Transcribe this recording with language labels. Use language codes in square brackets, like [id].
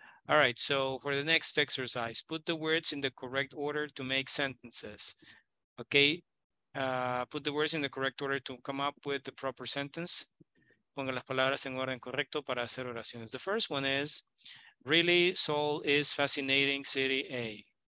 [en] All right, so for the next exercise, put the words in the correct order to make sentences. Okay, put the words in the correct order to come up with the proper sentence. [es] Ponga las palabras en orden correcto para hacer oraciones. [en] The first one is, really, Seoul is fascinating city A.